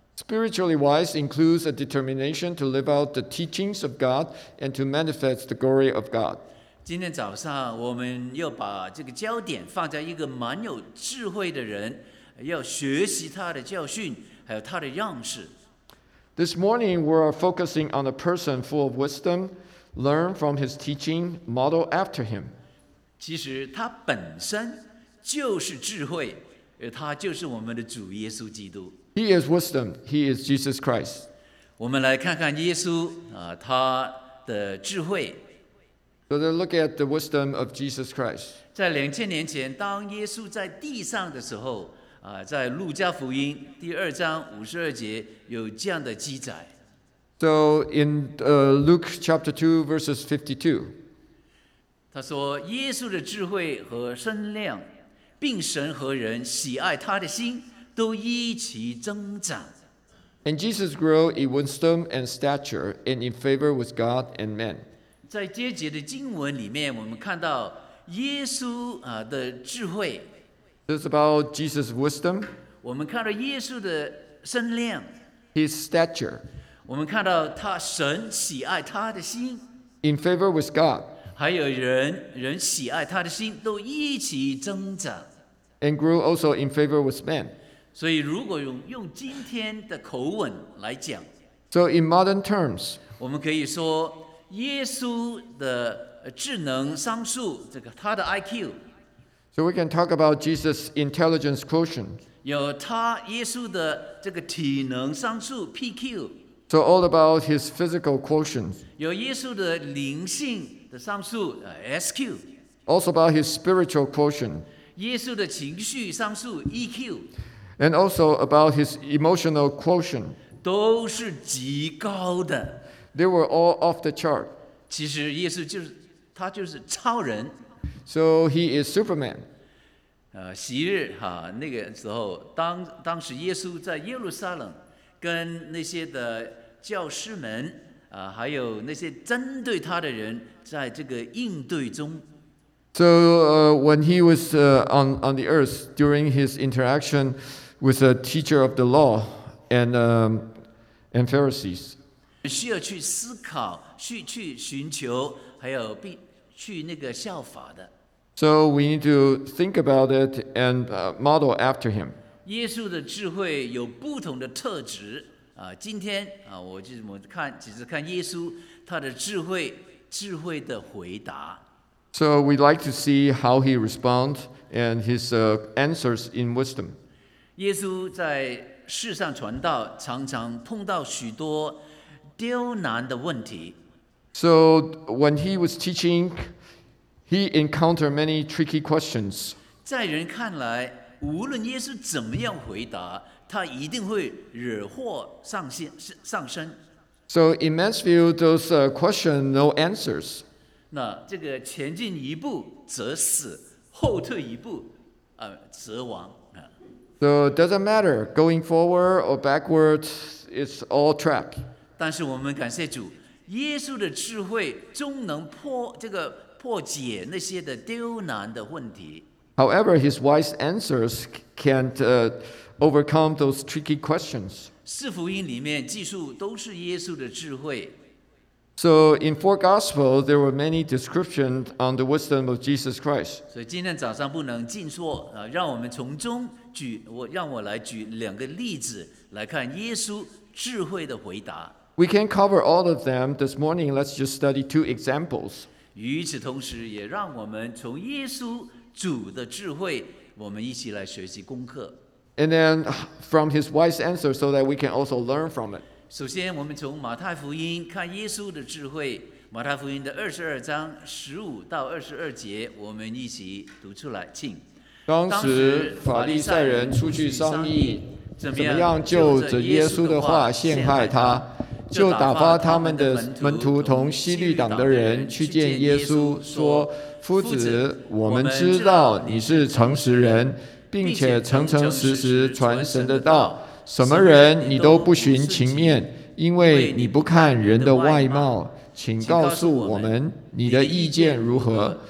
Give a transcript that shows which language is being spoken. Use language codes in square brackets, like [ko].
[en] Spiritually wise includes a determination to live out the teachings of God and to manifest the glory of God. [zh] 今天早上我们要把这个焦点放在一个蛮有智慧的人，要学习他的教训还有他的样式。 [en] This morning we are focusing on a person full of wisdom, learn from his teaching, model after him. [zh] 其实他本身就是智慧，他就是我们的主耶稣基督。 [en] He is wisdom, he is Jesus Christ. [zh] 我们来看看耶稣他的智慧。 [en] So let's look at the wisdom of Jesus Christ. [zh] 在2000年前，当耶稣在地上的时候在路加福音第二章52节有这样的记载。 [en] So in Luke chapter 2 verses 52. [zh] 他说，耶稣的智慧和身量，并神和人喜爱他的心，都一起增长。 [en] And Jesus grew in wisdom and stature and in favor with God and men. [zh] 在这节的经文里面，我们看到耶稣的智慧。 [en] It's about Jesus' wisdom. [zh] 我们看到耶稣的身量。 [en] His stature. [zh] 我们看到他神喜爱他的心。 [en] In favor with God. [zh] 还有人喜爱他的心都一起增长。 [en] And grew also in favor with men. [zh] 所以如果用今天的口吻来讲。 [en] So in modern terms. [zh] 我们可以说耶稣的智能商数，这个他的 IQ。 [en] So we can talk about Jesus' intelligence quotient. [zh] 有他耶稣的这个体能商数 PQ. [en] So all about his physical quotient. [zh] 有耶稣的灵性的商数 SQ. [en] Also about his spiritual quotient. [zh] 耶稣的情绪商数 EQ. [en] And also about his emotional quotient. [zh] 都是极高的。 [en] They were all off the chart. [zh] 其实耶稣他就是超人。 [en] So he is Superman. [zh] 昔日那个时候，当时耶稣在耶路撒冷跟那些的教师们还有那些针对他的人在这个应对中。 [en] So when he was on the earth during his interaction with a teacher of the law and Pharisees. [zh] 需要去思考，去寻求，还有去那个效法的。 [en] So we need to think about it and model after him. [zh] 耶稣的智慧有不同的特质今天我们看耶稣他的智慧的回答。 [en] So we'd like to see how he responds and his answers in wisdom. [zh] 耶稣在世上传道，常常碰到许多刁难的问题。 [en] So when he was teaching, he encountered many tricky questions. [zh] 在人看来，无论耶稣怎么样回答，他一定会惹祸上身。 [en] So in man's view, those questions, no answers. [zh] 那这个前进一步则死，后退一步，则亡。 [en] So it doesn't matter, going forward or backwards, it's all trap. [zh] 但是我们感谢主，耶稣的智慧终能破解那些的刁难的问题。 [en] However, his wise answers can't overcome those tricky questions. [zh] 四福音里面记述都是耶稣的智慧。 [en] So in four Gospels, there were many descriptions on the wisdom of Jesus Christ. [zh] 所以今天早上不能尽说，让我们从中举，让我来举两个例子来看耶稣智慧的回答。 [en] We can't cover all of them this morning. Let's just study two examples. [zh] 与此同时，也让我们从耶稣主的智慧，我们一起来学习功课。 [en] And then from his wise answer, so that we can also learn from it. [zh] 首先，我们从马太福音看耶稣的智慧。马太福音的22:15-22，我们一起读出来，请。当时法利赛人出去商议，怎么样就着耶稣的话陷害他，就打发他们的门徒同西律党的人去见耶稣，说：“夫子，我们知道你是诚实人，并且诚诚实实传神的道，什么人你都不寻情面，因为你不看人的外貌，请告诉我们你的意见如何？